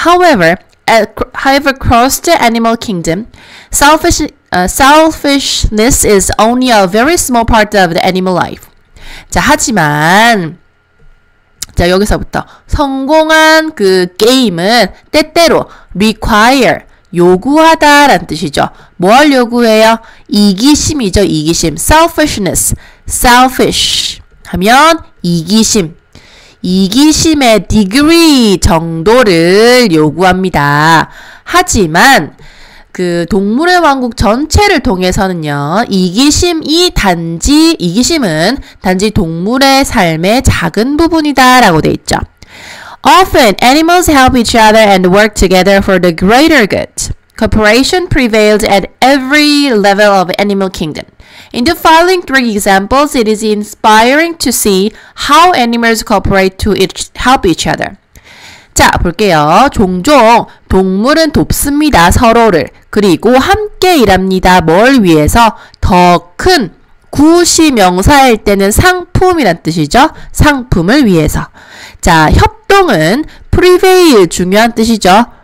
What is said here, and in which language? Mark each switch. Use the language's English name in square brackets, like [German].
[English] However, across the animal kingdom, selfishness is only a very small part of the animal life. [Korean] 자, 하지만, 자, 여기서부터. 성공한 그 게임은 때때로 require, 요구하다 라는 뜻이죠. 뭘 요구해요? 이기심이죠, 이기심. selfishness. selfish 하면 이기심. 이기심의 degree 정도를 요구합니다. 하지만 그 동물의 왕국 전체를 통해서는요, 이기심은 단지 동물의 삶의 작은 부분이다 라고 돼 있죠. [English] Often animals help each other and work together for the greater good. Cooperation prevails at every level of animal kingdom. In the following three examples, it is inspiring to see how animals cooperate to help each other. [Korean] 자, 볼게요. 종종 동물은 돕습니다, 서로를. 그리고 함께 일합니다. 뭘 위해서? 더 큰 구시명사일 때는 상품이란 뜻이죠. 상품을 위해서. 자, 협동은 prevail, 중요한 뜻이죠.